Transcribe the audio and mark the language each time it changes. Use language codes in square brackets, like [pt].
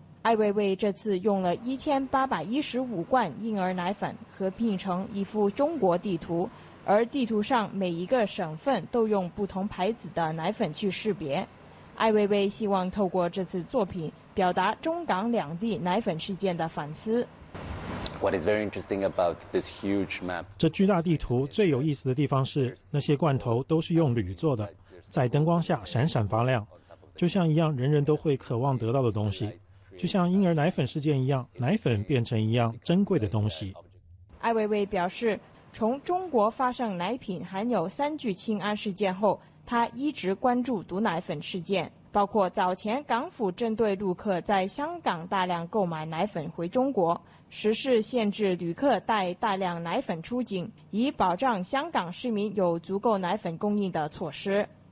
[zh] 艾薇薇这次用了1815罐婴儿奶粉合拼成一幅中国地图，而地图上每一个省份都用不同牌子的奶粉去识别。艾薇薇希望透过这次作品表达中港两地奶粉事件的反思。 [en] What is very interesting about this huge map? [zh] 这巨大地图最有意思的地方是，那些罐头都是用铝做的，在灯光下闪闪发亮，就像一样人人都会渴望得到的东西，就像婴儿奶粉事件一样，奶粉变成一样珍贵的东西。艾薇薇表示，从中国发生奶品含有三聚氰胺事件后，她一直关注毒奶粉事件，包括早前港府针对陆客在香港大量购买奶粉回中国，实施限制旅客带大量奶粉出境，以保障香港市民有足够奶粉供应的措施。